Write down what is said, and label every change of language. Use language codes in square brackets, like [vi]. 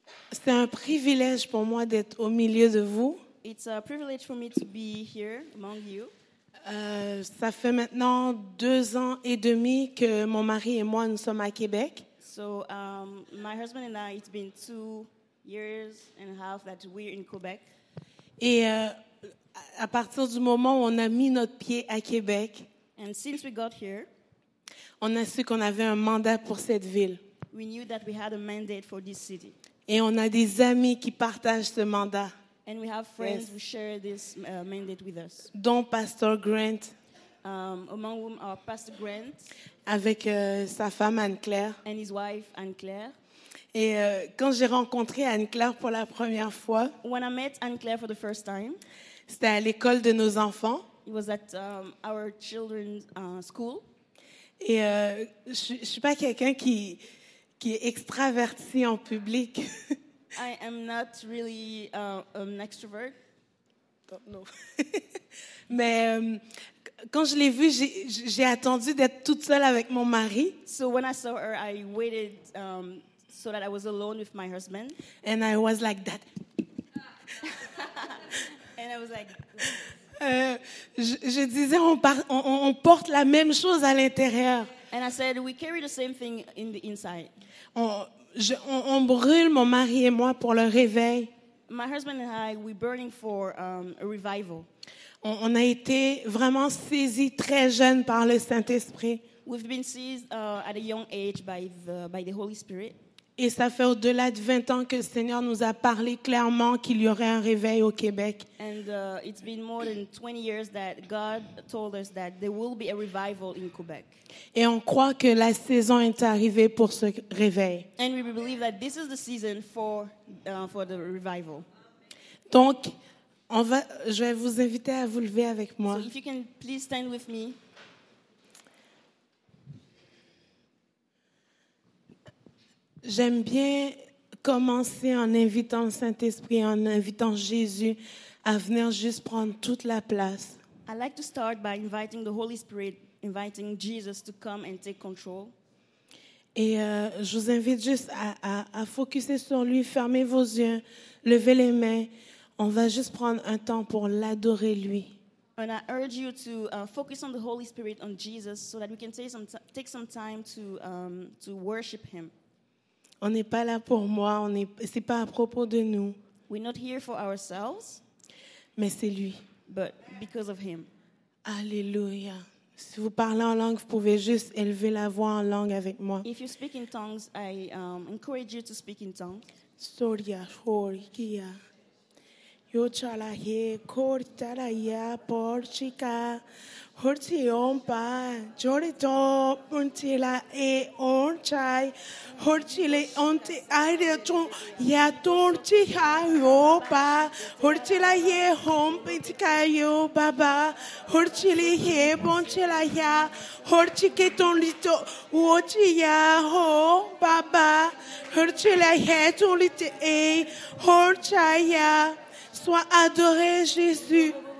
[fr] C'est un privilège pour moi d'être au milieu de vous. [en] It's a privilege for me to be here among you. [fr] Ça fait maintenant 2 ans et demi que mon mari et moi nous sommes à Québec. [en] So my husband and I, it's been 2 years and a half that we're in Quebec. [fr] Et à partir du moment où on a mis notre pied à Québec, [en] and since we got here, [fr] on a su qu'on avait un mandat pour cette ville. [en] We knew that we had a mandate for this city. [fr] Et on a des amis qui partagent ce mandat. [en] And we have friends who share this mandate with us. [fr] Dont Pastor Grant. [en] Among whom our Pastor Grant. [fr] Avec sa femme Anne-Claire. [en] And his wife Anne-Claire. [fr] Et quand j'ai rencontré Anne-Claire pour la première fois. [en] When I met Anne-Claire for the first time. [fr] C'était à l'école de nos enfants. [en] It was at our children's school. [fr] Et je suis pas quelqu'un qui est extraverti en public. [en] I am not really an extrovert. Don't know. [fr] Mais quand je l'ai vue, j'ai attendu d'être toute seule avec mon mari. [en] So when I saw her, I waited so that I was alone with my husband. And I was like that. And I was like. [fr] Je disais, on porte la même chose à l'intérieur. [en] And I said, we carry the same thing in the inside. [fr] On brûle, mon mari et moi, pour le réveil. [en] My husband and I, we're burning for a revival. [fr] On a été vraiment saisis très jeunes par le Saint-Esprit. [en] We've been seized at a young age by the Holy Spirit. [fr] Et ça fait au-delà de 20 ans que le Seigneur nous a parlé clairement qu'il y aurait un réveil au Québec. [en] And it's been more than 20 years that God told us that there will be a revival in Quebec. [fr] Et on croit que la saison est arrivée pour ce réveil. [en] And we believe that this is the season for the revival. [fr] Donc, je vais vous inviter à vous lever avec moi. [en] So if you can please stand with me. [fr] J'aime bien commencer en invitant le Saint-Esprit, en invitant Jésus à venir juste prendre toute la place. [en] I like to start by inviting the Holy Spirit, inviting Jesus to come and take control. [fr] Et je vous invite juste à focuser sur lui, fermer vos yeux, lever les mains. On va juste prendre un temps pour l'adorer lui. [en] And I urge you to focus on the Holy Spirit, on Jesus, so that we can take some time to worship him. [fr] On n'est pas là pour moi, c'est pas à propos de nous. [en] We're not here for ourselves. [fr] Mais c'est lui. [en] But because of him. [fr] Alléluia. Si vous parlez en langue, vous pouvez juste élever la voix en langue avec moi. [en] If you speak in tongues, I encourage you to speak in tongues. Soria, Soria. Yo chala ye, cortala ya, porchica. Horti ompa, jorito, puntila e onchai, horti le onti aireton, ya torti ha yopa, horti la ye hompitika yo baba, horti le ye bonchila ya, horti ke ton lito, wochi ya ho baba, horti la ye ton lite e, horchai ya, [fr] sois adoré Jésus.